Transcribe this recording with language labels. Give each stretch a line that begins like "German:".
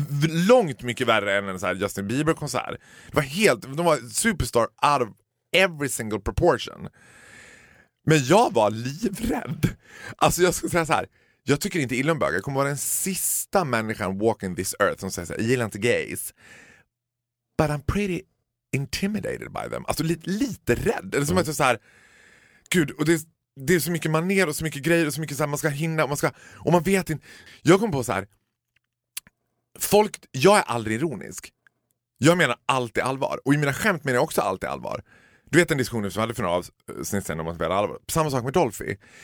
Swedish: Långt mycket värre än en så här Justin Bieber-konsert. Det var helt, de var superstar
English: out of every single proportion.
Swedish: Men jag var livrädd. Alltså jag ska säga så här, jag tycker inte illa om bögar. Jag kommer vara den sista människan
English: walking this earth
Swedish: som säger så här, jag gillar inte gays.
English: But I'm pretty intimidated by them.
Swedish: Alltså lite rädd. Eller som att jag så här, gud, och det är så mycket maner och så mycket grejer och så mycket så här, man ska hinna och man ska, och man vet inte. Jag kommer på så här, folk, jag är aldrig ironisk. Jag menar alltid allvar. Och i mina skämt menar jag också alltid allvar. Du vet den diskussionen som vi hade för några avsnitt sen om att vi hade allvar. Samma sak med Dolphy.